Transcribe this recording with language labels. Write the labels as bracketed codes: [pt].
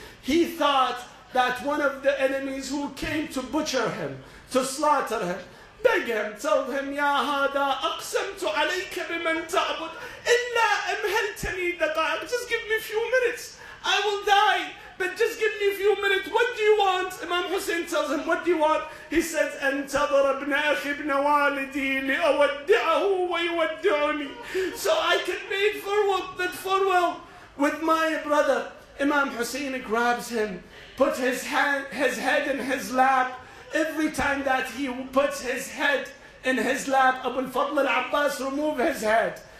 [en] He thought that one of the enemies who came to butcher him, to slaughter him, beg him, tell him, [ar] يَا هَذَا أَقْسَمْتُ عَلَيْكَ بِمَنْ تَعْبُدْ إِلَّا أَمْهَلْتَنِي دَقَائِقَ. [en] Just give me a few minutes. I will die, but just give me a few minutes. What do you want? Imam Hussein tells him, what do you want? He says, [ar] أنتظر ابن أخي ابن والدي لأودعه ويودعني. [en] So I can make farewell with my brother. Imam Hussein grabs him, puts his head in his lap. Every time that he puts his head in his lap, Abu al-Fadl al-Abbas removes his head.